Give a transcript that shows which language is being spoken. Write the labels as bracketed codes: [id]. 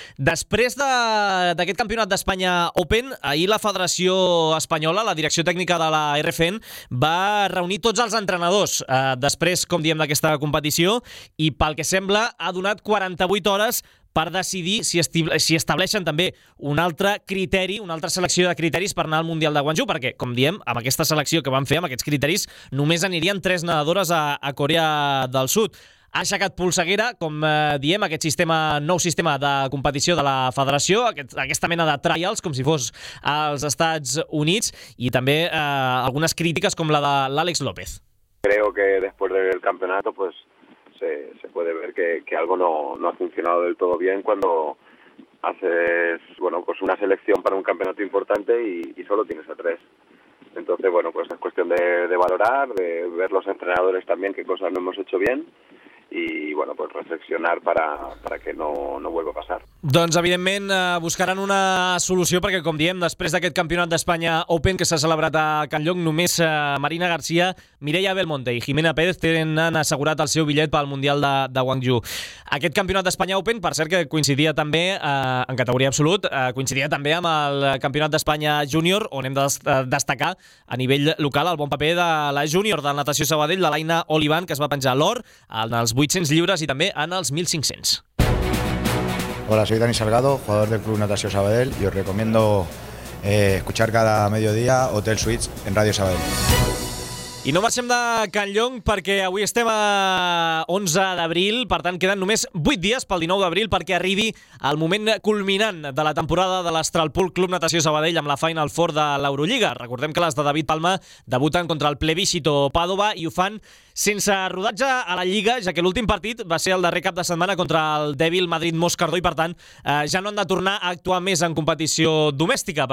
[ca] Després d'aquest campionat d'Espanya Open, ahir la federació espanyola, la direcció tècnica de la RFN, va reunir tots els entrenadors després, com diem, d'aquesta competició, i pel que sembla, ha donat 48 hores per decidir si estableixen també un altre criteri, una altra selecció de criteris per anar al Mundial de Guangzhou, perquè, com diem, amb aquesta selecció que van fer, amb aquests criteris, només anirien 3 nedadores a Corea del Sud. Ha aixecat polseguera, com diem, aquest sistema, nou sistema de competició de la federació, aquesta mena de trials, com si fos als Estats Units, i també algunes crítiques com la de l'Àlex López. [es] Creo que después del campeonato, pues se puede ver que algo no ha funcionado del todo bien cuando haces, bueno, pues una selección para un campeonato importante y solo tienes a 3. Entonces, bueno, pues es cuestión de valorar, de ver los entrenadores también qué cosas no hemos hecho bien y, bueno, pues reflexionar para que no vuelva a pasar. [ca] Doncs, evidentment, buscaran una solució perquè, com diem, després d'aquest campionat d'Espanya Open que s'ha celebrat a Can Llong, només Marina García, Mireia Belmonte i Jimena Pérez tenen assegurat el seu bitllet pel Mundial de Guangzhou. Aquest campionat d'Espanya Open, per cert, que coincidia també, en categoria absolut, coincidia també amb el campionat d'Espanya Júnior, on hem de destacar a nivell local el bon paper de la Júnior de Natació Sabadell, de l'Aina Olivan, que es va penjar l'or en els 800 lliures i també en els 1500. [es] Hola, soy Dani Salgado, jugador del Club Natació Sabadell, y os recomiendo escuchar cada mediodía Hotel Suites en Radio Sabadell. [ca] I no marxem de Can Llong perquè avui estem a 11 d'abril, per tant queden només 8 dies pel 19 d'abril perquè arribi el moment culminant de la temporada de l'Astralpool Club Natació Sabadell amb la Final Four de l'Eurolliga. Recordem que les de David Palma debuten contra el Plebiscito Pàdova i ho fan sense rodatge a la Lliga, ja que l'últim partit va ser el darrer cap de setmana contra el dèbil Madrid Moscardó i, per tant, ja no han de tornar a actuar més en competició domèstica.